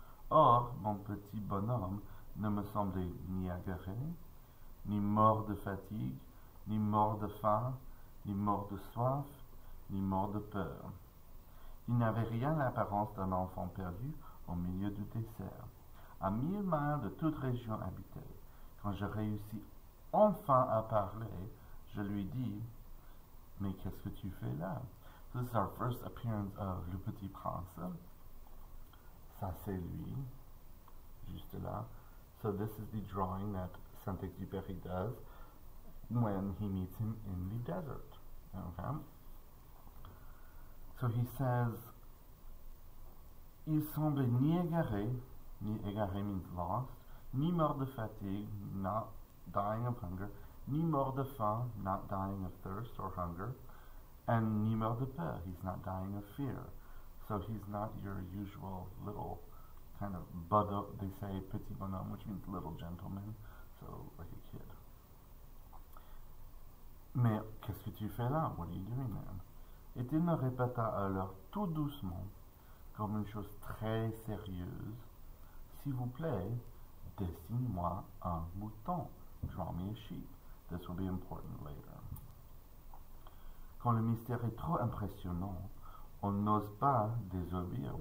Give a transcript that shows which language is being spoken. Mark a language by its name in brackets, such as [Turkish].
[French] Or, mon petit bonhomme ne me semblait ni aguerri, ni mort de fatigue, ni mort de faim, ni mort de soif, ni mort de peur. Il n'avait rien l'apparence d'un enfant perdu au milieu du désert, à 1 000 miles de toute région habitée. Quand je réussis enfin à parler, je lui dis: Mais qu'est-ce que tu fais là? [English] This is our first appearance of Le Petit Prince. [French] Ça, c'est lui, juste là. [English] So this is the drawing that Saint-Exupéry does when he meets him in the desert. Okay. So he says, [French] il semblait ni égaré [English] means lost, [French] ni mort de fatigue, [English] not dying of hunger, [French] ni mort de faim, [English] not dying of thirst or hunger, and [French] ni mort de peur, [English] he's not dying of fear. So he's not your usual little kind of bado, they say petit bonhomme, which means little gentleman, so like a kid. [French] Mais qu'est-ce que tu fais là? [English] What are you doing there? [French] Et il me répéta alors tout doucement, comme une chose très sérieuse, s'il vous plaît, dessine-moi un mouton. [English] Draw me a sheep. This will be important later. [French] Quand le mystère est trop impressionnant, on n'ose pas désobéir.